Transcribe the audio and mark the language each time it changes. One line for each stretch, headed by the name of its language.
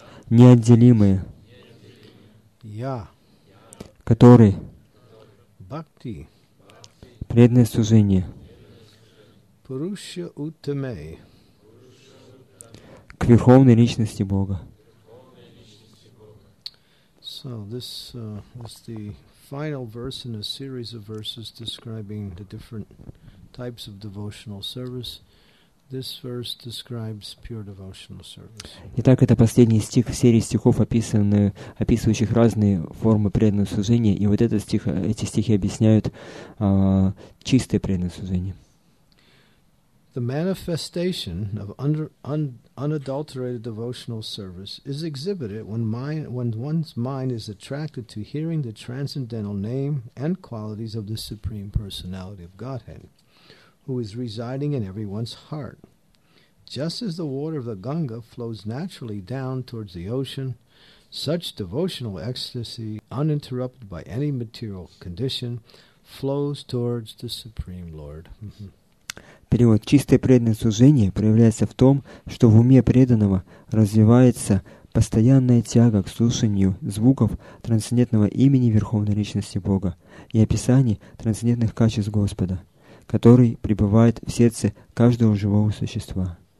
Russian: Неотделимые. Я. Который. Бхакти. Преданное служение.
Sanskrit: Пуруша Уттамей.
Russian: К Верховной Личности Бога.
English: So this is the final verse in a series of verses describing the different types of devotional service. This verse describes pure devotional service.
Russian: Итак, это последний стих в серии стихов, описывающих разные формы преданного служения. И вот этот стих, эти стихи объясняют чистое преданное служение.
English: The manifestation of unadulterated devotional service is exhibited when one's mind is attracted to hearing the transcendental name and qualities of the Supreme Personality of Godhead, who is residing in everyone's heart. Just as the water of the Ganga flows naturally down towards the ocean, such devotional ecstasy, uninterrupted by any material condition, flows towards the Supreme Lord.
Russian: Перевод. Чистое преданное служение проявляется в том, что в уме преданного развивается постоянная тяга к слушанию звуков трансцендентного имени Верховной Личности Бога и описаний трансцендентных качеств Господа, который пребывает в сердце каждого живого существа.